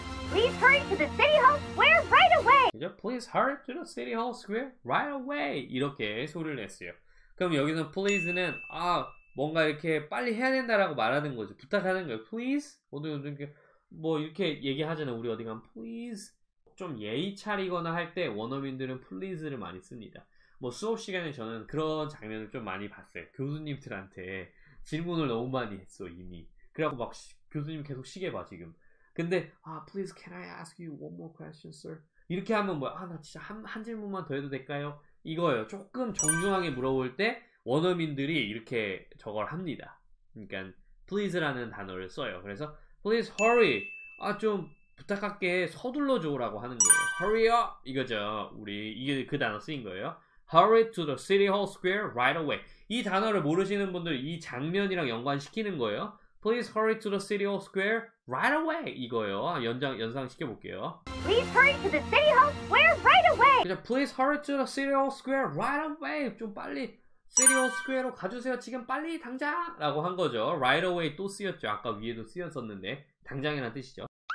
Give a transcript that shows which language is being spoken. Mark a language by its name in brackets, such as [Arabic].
[English] Please hurry to the city hall square right away. [Korean] 그죠? [English] Please hurry to the city hall square right away. [Korean] 이렇게 소리를 냈어요. 그럼 여기서 please는 아 뭔가 이렇게 빨리 해야 된다라고 말하는 거죠. 부탁하는 거예요. Please 이렇게 얘기하잖아요. 우리 어디 가면 please 좀 예의 차리거나 할 때 원어민들은 please를 많이 씁니다. 뭐 수업 시간에 저는 그런 장면을 좀 많이 봤어요. 교수님들한테 질문을 너무 많이 했어 이미. 그래갖고 막 교수님 계속 시계 봐 지금. [English] 근데 아 please can I ask you one more question, sir? [Korean] 이렇게 하면 뭐 아 나 진짜 한 질문만 더 해도 될까요? 이거예요. 조금 정중하게 물어볼 때 원어민들이 이렇게 저걸 합니다. 그러니까 please라는 단어를 써요. 그래서 [English] please hurry. [Korean] 아 좀 부탁할게 서둘러 줘라고 하는 거예요. [English] Hurry up [Korean] 이거죠. 우리 이게 그 단어 쓰인 거예요. [English] Hurry to the city hall square right away. [Korean] 이 단어를 모르시는 분들 이 장면이랑 연관시키는 거예요. [English] Please hurry to the city hall square right away. [Korean] 이거요. 연상시켜 볼게요. [English] Please hurry to the city hall square right away. 그냥 Please hurry to the city hall square right away. [Korean] 좀 빨리 city hall square로 가주세요. 지금 빨리 당장 라고 한 거죠. [English] Right away [Korean] 또 쓰였죠. 아까 위에도 쓰였었는데 당장이란 뜻이죠.